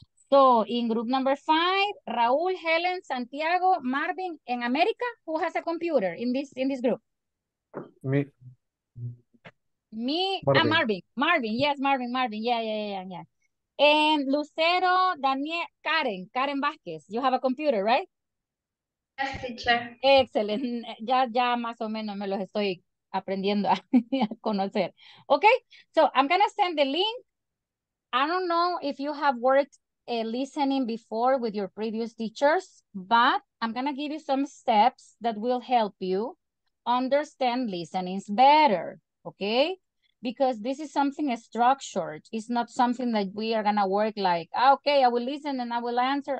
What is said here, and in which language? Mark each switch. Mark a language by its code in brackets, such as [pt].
[en] So, in group number five, Raúl, Helen, Santiago, Marvin, and America, who has a computer in this group? Me. Marvin. Marvin. And Lucero, Daniel, Karen Vázquez, you have a computer, right? Yes, teacher. Excellent. [es] Ya más o menos me los estoy aprendiendo a conocer. [en] Okay, so I'm going to send the link. I don't know if you have worked listening before with your previous teachers, but I'm going to give you some steps that will help you understand listenings better, okay? Because this is something structured. It's not something that we are going to work like, okay, I will listen and I will answer.